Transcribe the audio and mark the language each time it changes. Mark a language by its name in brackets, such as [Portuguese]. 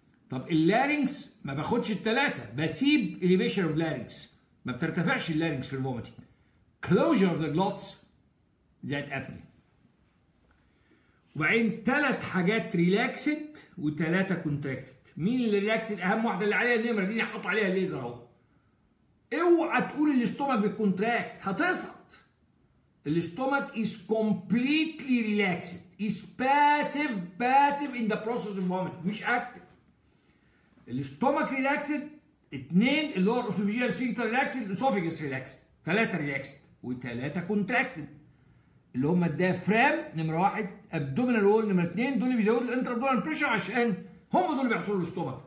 [Arabic] طب اللارينكس ما باخدش الثلاثة، بسيب إليفيشن اوف لارينكس، ما بترتفعش اللارينكس في الفوميتنج، كلوجر اوف ذا جلوتس زائد ابني. وبعدين ثلاث حاجات ريلاكسد وثلاثة كونتراكت. مين اللي ريلاكس؟ الاهم واحده اللي عليها النمره دي، احط عليها الليزر اهو. اوعى تقول الاستومك بالكونتراكت، هتسقط. [English] الاستومك is completely relaxed is passive in the process of vomiting، مش active. [Arabic] الاستومك ريلاكسد، اثنين اللور اسوفجيال سفينكتر ريلاكسد، الاسوفجس ريلاكسد، ثلاثه ريلاكسد وثلاثه كونتراكت، اللي هم الدافرام نمره واحد، ابدومينال وول نمره اثنين، دول اللي بيزودوا الانترا ابدومينال بريشر عشان هم دول بيحصلوا الاستومك.